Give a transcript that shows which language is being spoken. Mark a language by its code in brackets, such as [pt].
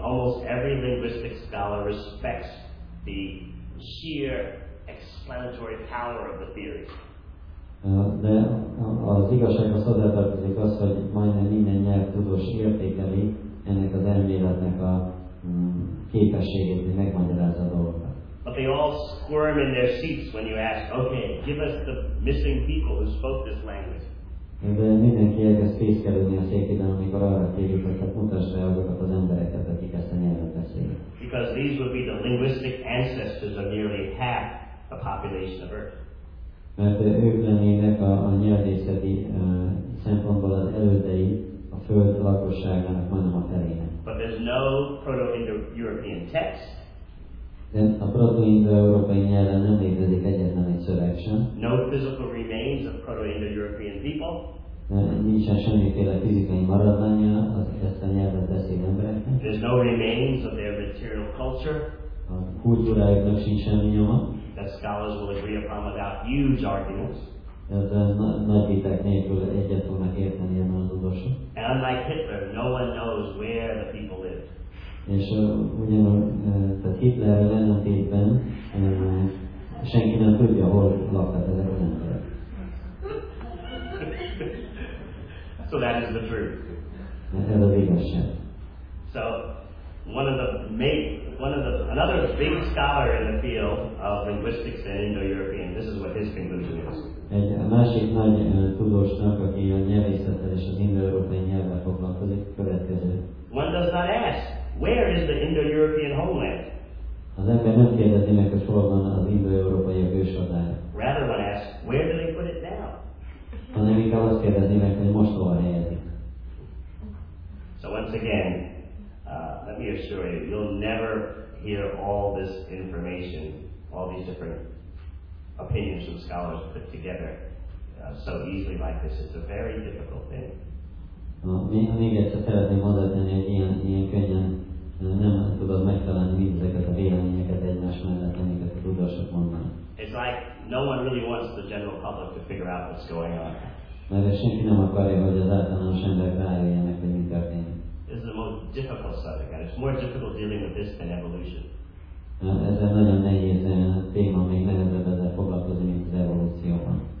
[en] Almost every linguistic scholar respects the sheer explanatory power of the theory. [hu] De az igazsághoz hozzátartozik az, hogy majdnem minden nyelvtudós értékeli ennek az elméletnek a képességét, hogy megmagyarázza a dolgokat. [en] But they all squirm in their seats when you ask, okay, give us the missing people who spoke this language. [hu] De mindenki elkezd fészkelődni a székében, amikor arra kérjük, hogy mutass rá azokat az embereket, akik ezt a nyelvet beszélik. [en] Because these would be the linguistic ancestors of nearly half the population of Earth. [hu] Mert ők lennének a nyelvészeti szempontból az elődei a Föld lakosságának majdnem a felének. [en] But there's no Proto-Indo-European text. [hu] De a Proto-Indo-Európai nyelven nem létezik egyetlen egy szöveg sem. [en] No physical remains of Proto-Indo-European people. [hu] Nincsen semmiféle fizikai maradványa az ezt a nyelvet beszélő embereknek. [en] There's no remains of their material culture. [hu] A kultúrájuknak sincs semmi nyoma. [en] That scholars will agree upon without huge arguments. [hu] De nagy viták nélkül egyet fognak érteni a tudósok. [en] And unlike Hitler, no one knows where the people live. [hu] És ugyanúgy, tehát Hitlerrel ellentétben senki nem tudja, hol lakhat ezek az emberek. [en] So that is the truth. [hu] Ez az igazság. [en] So, one of the main, another big scholar in the field of linguistics and Indo-European, this is what his conclusion is. [hu] Egy másik nagy tudósnak, aki a nyelvészettel és az indo-európai nyelvvel foglalkozik, következő. [en] One does not ask, where is the Indo-European homeland? [hu] Az ember nem kérdezi meg, hogy hol van az indo-európai ősadár. [en] Rather one asks, where do they put it now? [hu] Hanem inkább azt kérdezi meg, hogy most hova helyezik. [en] So once again, let me assure you, you'll never hear all this information, all these different opinions from scholars put together so easily like this. It's a very difficult thing. [hu] Még egyszer szeretném hozzátenni, hogy ilyen könnyen nem tudod megtalálni mindezeket a véleményeket egymás mellett, amiket a tudósok mondanak. [en] It's like no one really wants the general public to figure out what's going on. [hu] Mert senki nem akarja, hogy az általános emberek rájöjjenek, hogy mi történik. [en] This is the most difficult subject, and it's more difficult dealing with this than evolution. [hu] Ez egy nagyon nehéz téma, még nehezebb ezzel foglalkozni, mint az evolúcióban.